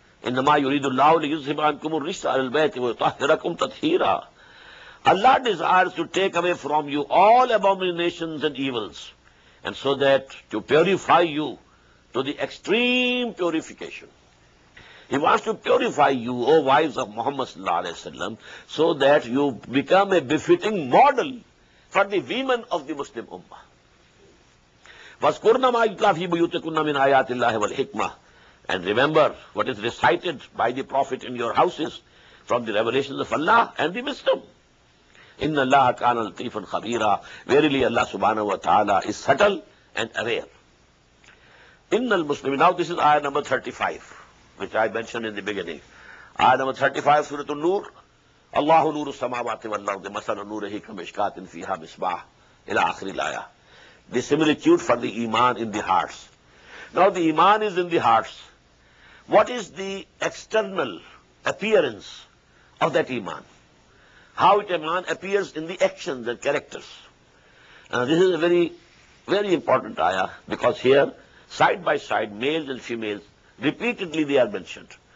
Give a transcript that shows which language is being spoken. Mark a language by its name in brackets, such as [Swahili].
[Arabic] انما يريد الله ليذهب عنكم الرجس اهل البيت ويطهركم تطهيرا. [English] Allah desires to take away from you all abominations and evils, and so that to purify you to the extreme purification. He wants to purify you, O wives of Muhammad sallallahu alaihi wasallam, so that you become a befitting model for the women of the Muslim Ummah. [Arabic] وَاسْكُرْنَ مَا يُتْلَى فِي بُيُوتِكُنَّ مِنْ آيَاتِ اللَّهِ وَالْحِكْمَةِ. [English] And remember what is recited by the Prophet in your houses from the revelations of Allah and the wisdom. إِنَّ اللَّهَ كَانَ لَطِيفًا خَبِيرًا. Verily Allah subhanahu wa ta'ala is subtle and aware. إِنَّ الْمُسْلِمِينَ. Now this is ayah number 35, which I mentioned in the beginning. Ayah number 35, Surah An-Nur. [Arabic] الله نور السماوات والأرض مثل نوره كمشكات فيها مصباح إلى آخر الآية. [English] The similitude for the iman in the hearts. Now the iman is in the hearts. What is the external appearance of that iman? How it iman appears in the actions and characters? Now this is a very, very important ayah, because here, side by side, males and females, repeatedly they are mentioned.